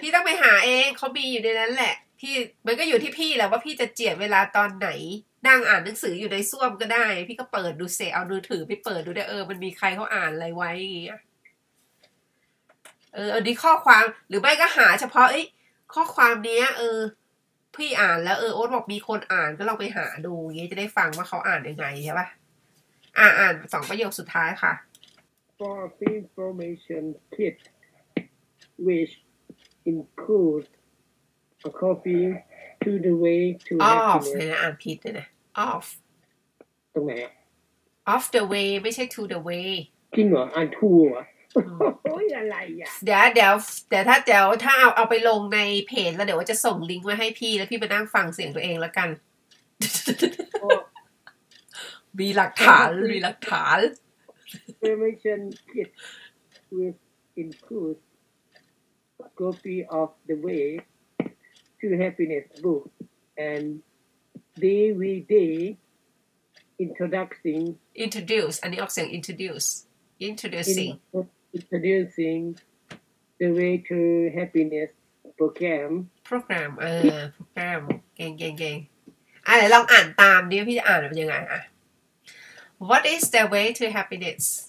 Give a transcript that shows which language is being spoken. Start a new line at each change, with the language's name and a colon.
Thai: พี่ต้องไปหาเองเขามีอยู่ในนั้นแหละพี่มันก็อยู่ที่พี่แหละ ว่าพี่จะเจียดเวลาตอนไหนนั่งอ่านหนังสืออยู่ในส้วมก็ได้พี่ก็เปิดดูเสเอามือถือไปเปิดดูได้เออมันมีใครเขาอ่านอะไรไว้อย่างเงี้ยเออดีข้อความหรือไม่ก็หาเฉพาะไอ้ข้อความเนี้ยเออพี่อ่านแล้วเออโอ๊ตบอกมีคนอ่านก็ลองไปหาดูเงี้ยจะได้ฟังว่าเขาอ่านยังไงใช่ป่ะอ่านสองประโยคสุดท้ายค่ะ
English: For information kit which includes a copy to the way to
Thai: off เนี่ยอ่านผิดเลยนะ off ตรงไหน
English: off the way
Thai: ไม่ใช่
English: to the way
Thai: จริงเหรออ่าน to เหรออะไรอ่ะ เดี๋ยวถ้าเอาไปลงในเพจแล้วเดี๋ยวจะส่งลิงก์มาให้พี่แล้วพี่ไปนั่งฟังเสียงตัวเองแล้วกันมีหลักฐานมีหลักฐาน
English: information kit which includes copy of the way to happiness book and DVD introduce
Thai: อันนี้ออกเสียง introducing
English: introducing the way to happiness program
Thai: เออ program เก่งอะไรลองอ่านตามดิพี่จะอ่านแบบยังไงอ่ะ
English: What is the way to happiness